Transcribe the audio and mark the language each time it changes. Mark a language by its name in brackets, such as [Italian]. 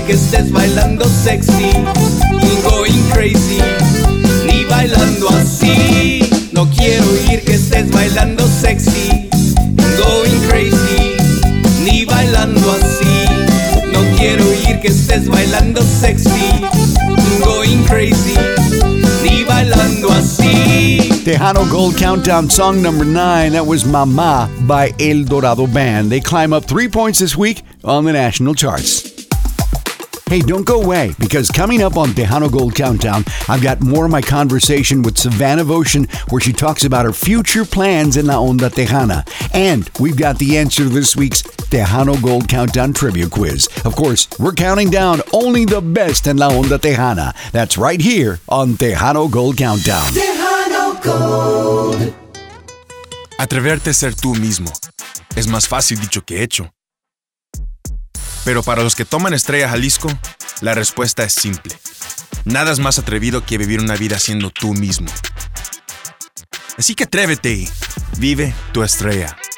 [Spanish] dices bailando sexy y [English] going crazy, [Spanish] ni bailando así. No quiero oír que estés bailando sexy, [English] going crazy, [Spanish] ni bailando así. No quiero oír que estés bailando sexy, [English] going crazy, [Spanish] ni bailando así. [English] Tejano Gold Countdown Song Number 9, that was Mama by El Dorado Band. They climb up 3 points this week on the national charts. Hey, don't go away, because coming up on Tejano Gold Countdown, I've got more of my conversation with Savannah Voshin, where she talks about her future plans in La Onda Tejana. And we've got the answer to this week's Tejano Gold Countdown Trivia Quiz. Of course, we're counting down only the best in La Onda Tejana. That's right here on Tejano Gold Countdown. Tejano Gold. [Spanish] Atreverte a ser tú mismo. Es más fácil dicho que hecho. Pero para los que toman Estrella Jalisco, la respuesta es simple. Nada es más atrevido que vivir una vida siendo tú mismo. Así que atrévete y vive tu estrella.